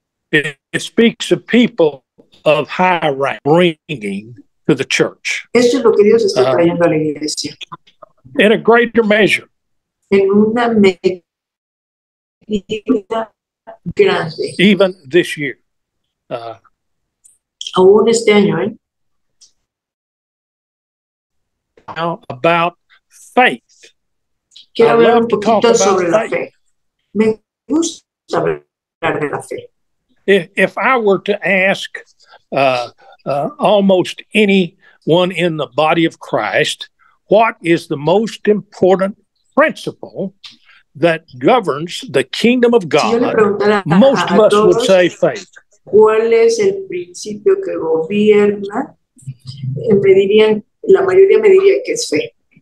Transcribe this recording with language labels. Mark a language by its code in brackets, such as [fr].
[en] It speaks of people of high rank bringing to the church. [es] Esto es lo que Dios está trayendo a la iglesia. [en] In a greater measure. [es] En una medida grande. [en] Even this year. [es] Aún este año, [en] Now about faith. [es] Quiero hablar un poquito sobre la fe. Me gusta hablar de la fe. [en] If I were to ask almost anyone in the body of Christ, what is the most important principle that governs the kingdom of God, most of us would say faith. [es] ¿Cuál es el principio que gobierna? Me dirían, la mayoría me diría que es fe.